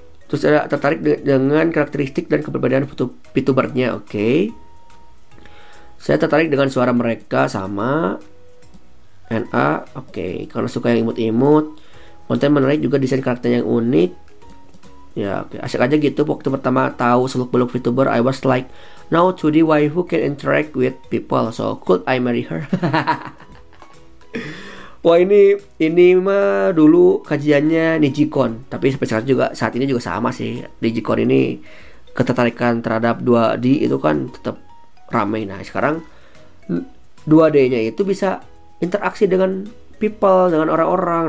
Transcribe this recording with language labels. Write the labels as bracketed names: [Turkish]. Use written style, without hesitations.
[Indonesian] Terus saya tertarik dengan karakteristik dan keberbedaan VTubernya, oke. Saya tertarik dengan suara mereka sama NA, oke. Karena suka yang imut-imut, konten menarik juga, desain karakternya yang unik. Ya, oke. Asik aja gitu. Waktu pertama tahu seluk-beluk VTuber, [English] I was like, now 2D waifu can interact with people, so could I marry her? [Indonesian] Wah, ini mah dulu kajiannya Nijikon, tapi sampai sekarang juga saat ini juga sama sih. Nijikon ini ketertarikan terhadap 2D itu kan tetap ramai. Nah, sekarang 2D-nya itu bisa interaksi dengan people, dengan orang-orang.